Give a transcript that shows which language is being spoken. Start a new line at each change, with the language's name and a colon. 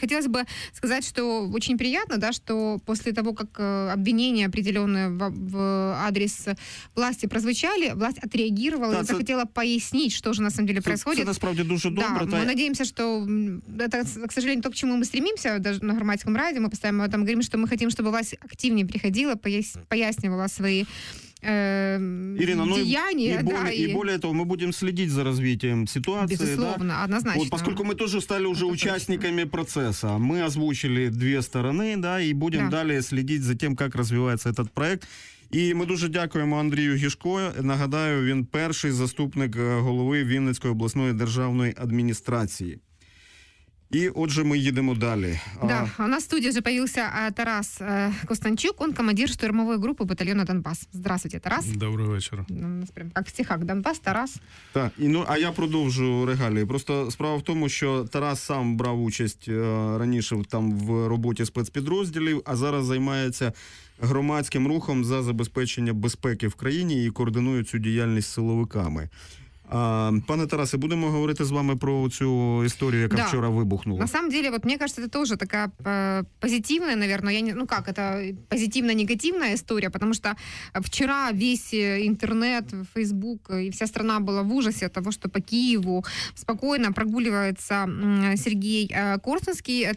Ukrainian: Хотілося б сказати, що дуже приємно, да, що після того, як обвинення определені в адрес власті прозвучали, власть відреагувала, да, і захотіла пояснити, що ж
Russian: на самом деле происходит.
Ukrainian: Це насправді дуже добре. Да, ми надіємося, що це,
Russian: к сожалению,
Ukrainian: то, к чому ми стремимося на громадському раді. Ми постійно там говоримо, що ми хочемо, щоб власть активніше приходила, пояснювала свої
Russian: Ирина, деяния, ну и, более, да, и более того, мы будем следить за развитием ситуации. Безусловно, да? Однозначно. Вот, поскольку мы тоже стали уже участниками процесса, мы озвучили две стороны, да, и будем далее следить за тем, как развивается этот проект.
Ukrainian: І ми дуже дякуємо Андрію Гішко. Нагадаю, він перший заступник голови Вінницької обласної державної адміністрації.
Russian: И отже мы едем далі. Да, у нас в студии уже появился Тарас Костанчук, он командир штурмовой группы батальона «Донбасс». Здравствуйте, Тарас. Добрый вечер. У нас прям как в стихах «Донбасс», Тарас.
Ukrainian: Так, и, ну, а я продовжу регалії. Просто справа в тому, що Тарас сам брав участь раніше там в роботі спецпідрозділів, а зараз займається громадським рухом за забезпечення безпеки в країні і координує цю діяльність силовиками. Пане Тарасе, будемо говорити з вами про цю історію, яка вчора вибухнула.
Russian: На самом деле, вот мне кажется, это тоже такая позитивная, наверное, это позитивно-негативная история, потому что вчера весь интернет, Facebook и вся страна была в ужасе от того, что по Киеву спокойно прогуливается Сергей Корсунский.